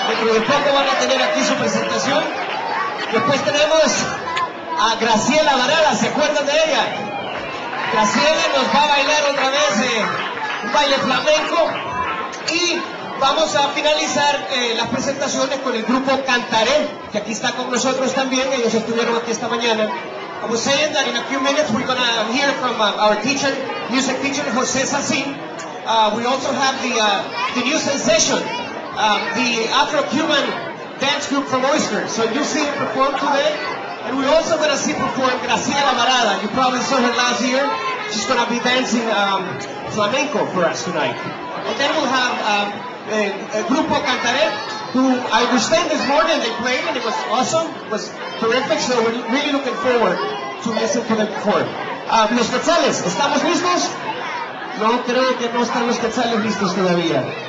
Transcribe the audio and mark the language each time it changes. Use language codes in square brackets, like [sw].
[es] dentro de poco van a tener aquí su presentación. Después tenemos a Graciela Varela, ¿se acuerdan de ella? Graciela nos va a bailar otra vez un baile flamenco. Y vamos a finalizar las presentaciones con el grupo Cantaré, que aquí está con nosotros también, ellos estuvieron aquí esta mañana. [en] I'm saying that in a few minutes we're going to hear from our teacher, music teacher, José Sassin. We also have the new sensation, the Afro-Cuban dance group from Oyster. So you'll see her perform today. And we're also going to see perform Graciela Varela. You probably saw her last year. She's going to be dancing flamenco for us tonight. And then we'll have Grupo Cantaré, who I was saying this morning, they played and it was awesome. It was terrific, so we're really looking forward to listen to them perform. [es] Los Quetzales, ¿estamos listos? No, creo que no están los Quetzales listos todavía.